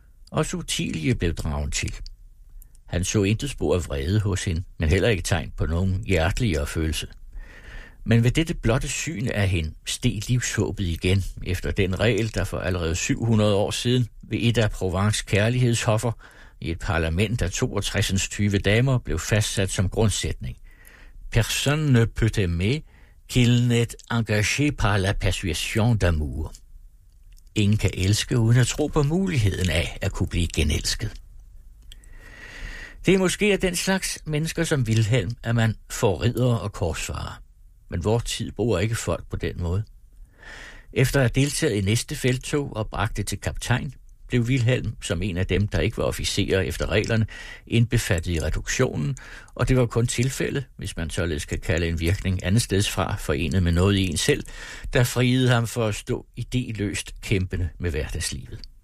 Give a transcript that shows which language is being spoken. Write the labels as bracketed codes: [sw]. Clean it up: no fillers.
[da] Og Utilie blev dragen til. Han så intet spor af vrede hos hende, men heller ikke tegn på nogen hjerteligere følelse. Men ved dette blotte syn af hende steg livshåbet igen, efter den regel, der for allerede 700 år siden ved et af Provence kærlighedshoffer i et parlament af 62 20 damer blev fastsat som grundsætning. [fr] Personne ne peut aimer qu'il n'est engagé par la persuasion d'amour. [da] Ingen kan elske uden at tro på muligheden af at kunne blive genelsket. Det er måske af den slags mennesker som Vilhelm, at man får riddere og korsfarer. Men vores tid bruger ikke folk på den måde. Efter at have deltaget i næste felttog og bragt det til kaptajn, blev Vilhelm, som en af dem, der ikke var officerer efter reglerne, indbefattet i reduktionen, og det var kun tilfælde, hvis man således kan kalde en virkning andetsteds fra forenet med noget i en selv, der friede ham for at stå ideløst kæmpende med hverdagslivet.